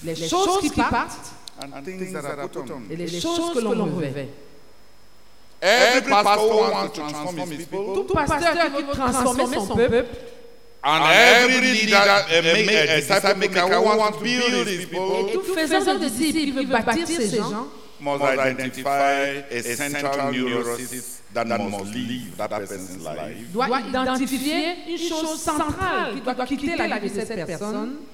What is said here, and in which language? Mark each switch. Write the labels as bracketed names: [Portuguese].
[French] Les choses qui partent. [English] And things that are put on. [French] Et les choses que l'on revêt. [English] Every pastor wants to transform his people. [French] Tout pasteur veut transformer son peuple. [English] And every leader, a disciple maker wants to build his people. [French] Et tout faisant de disciples veut bâtir ses gens. [English] Must identify a central neurosis that must leave that person's life. [French] Doit identifier une chose centrale qui doit quitter la vie de cette personne.